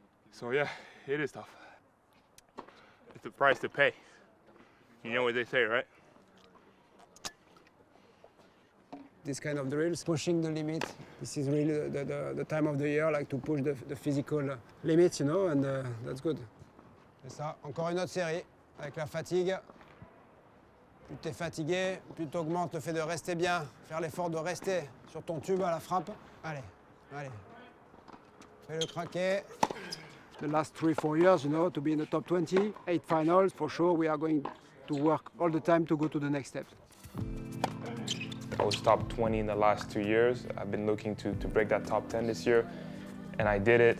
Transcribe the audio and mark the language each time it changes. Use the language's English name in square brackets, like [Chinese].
[English] So, yeah, it is tough. It's a price to pay. You know what they say, right? This kind of drills, pushing the limit. This is really the time of the year, like to push the physical limits, you know, and that's good. [French] C'est ça, encore une autre série, avec la fatigue. Plus t'es fatigué, plus t'augmentes le fait de rester bien, faire l'effort de rester sur ton tube à la frappe. Allez, allez. Fais le craquer. [English] The last 3-4 years, you know, to be in the top 20, 8 finals, for sure, we are going to work all the time to go to the next step. I was top 20 in the last 2 years. I've been looking to break that top 10 this year, and I did it.